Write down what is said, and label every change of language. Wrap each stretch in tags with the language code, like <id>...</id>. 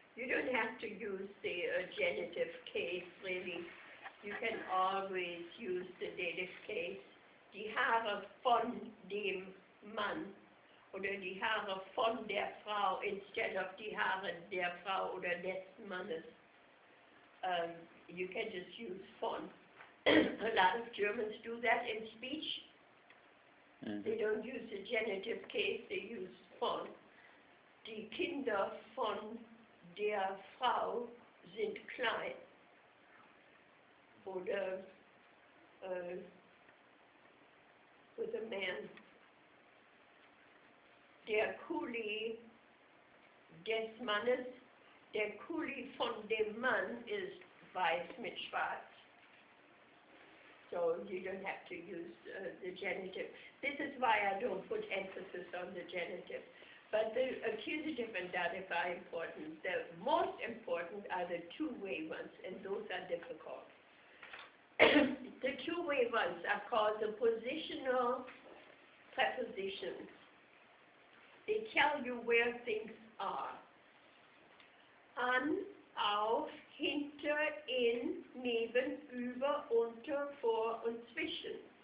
<en>You don't have to use the genitive case, really. You can always use the dative case.</en> <de>Die Haare von dem Mann, oder die Haare von der Frau,</de> <en>instead of</en> <de>die Haare der Frau oder des Mannes.</de> <en>You can just use von. A lot of Germans do that in speech. Mm-hmm. They don't use the genitive case, they use von.</en> <de>Die Kinder von der Frau sind klein. Oder</de> <en>with a man.</en> <de>Der Kuli des Mannes, der Kuli von dem Mann ist weiß mit schwarz.</de> <en>So you don't have to use the genitive. This is why I don't put emphasis on the genitive. But the accusative and dative are important. The most important are the two-way ones, and those are difficult. The two-way ones are called the positional prepositions. They tell you where things are.</en> <de>An, auf, hinter, in, neben, über, unter, vor, und zwischen.</de>